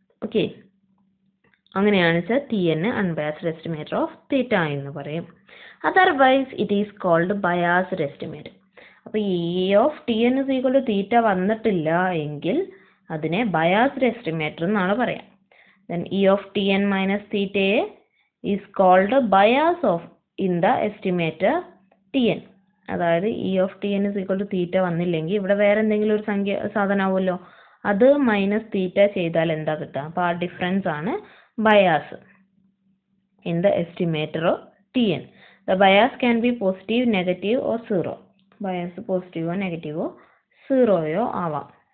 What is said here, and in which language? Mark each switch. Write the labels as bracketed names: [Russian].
[Malayalam] Okay, അങ്ങനെയാണ് വെച്ചാൽ T N unbiased estimator of തീറ്റ എന്ന് പറയും. [English] Otherwise it is called biased estimate. [Malayalam] അപ്പോൾ E of T N is equal to തീറ്റ വന്നിട്ടില്ല എങ്കിൽ അതിനെ ബയാസ്ഡ് എസ്റ്റിമേറ്റർ എന്നാണ് പറയാം. [English] Then E of Tn minus theta A is called bias of in the estimator Tn. [Malayalam] അതായത് E of T N is equal to തീറ്റ വന്നില്ലെങ്കിൽ ഇവിടെ വേറെ എന്തെങ്കിലും ഒരു സംഖ്യ സാധനമാവുമല്ലോ, അത് മൈനസ് തീറ്റ ചെയ്താൽ എന്താ കിട്ടുക? അപ്പോൾ ആ ഡിഫറൻസ് ആണ് bias in the estimator T N. [English] The bias can be positive negative or zero. [Malayalam] Bias പോസിറ്റീവോ നെഗറ്റീവോ സീറോയോ ആവാം.